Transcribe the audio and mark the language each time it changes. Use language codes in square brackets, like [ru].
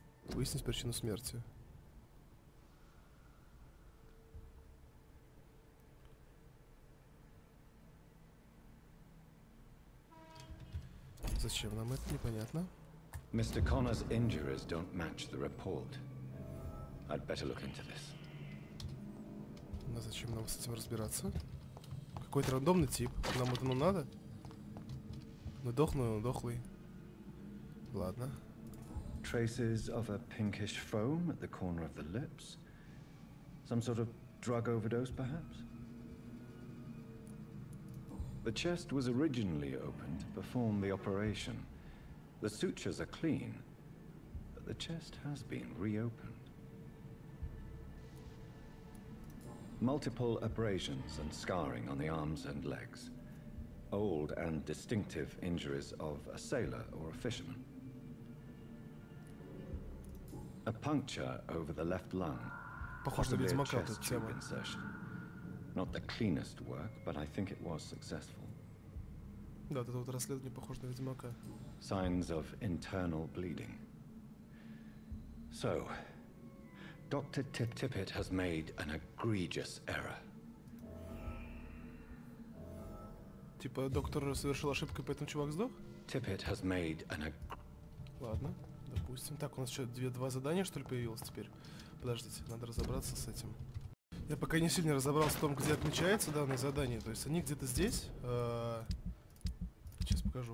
[ru] Выяснить причину смерти. Зачем? зачем нам это, непонятно. [en] Mr. Connor's injuries don't match the report. I'd better look into this. [ru] Ну зачем нам с этим разбираться? Какой-то рандомный тип. Нам это надо? Ну дохлый, дохлый. Ладно. [en] Traces of a pinkish foam at the corner of the lips. Some sort of drug overdose, perhaps? The chest was originally opened to perform the operation. The sutures are clean, but the chest has been reopened. Multiple abrasions and scarring on the arms and legs. Old and distinctive injuries of a sailor or a fisherman. A puncture over the left lung. Possibly a chest tube insertion. Not the cleanest work, but I think it was successful. [ru] Да, это вот расследование похоже на Ведьмака. [en] Signs of internal bleeding. So, Dr. Tip-Tippett has made an egregious error. [ru] Типа доктор совершил ошибку, и поэтому чувак сдох? [en] Tippett has made an [ru] Ладно, допустим. Так, у нас еще два задания, что ли, появилось теперь? Подождите, надо разобраться с этим. Я пока не сильно разобрался в том, где отмечается данное задание. То есть они где-то здесь. Сейчас покажу.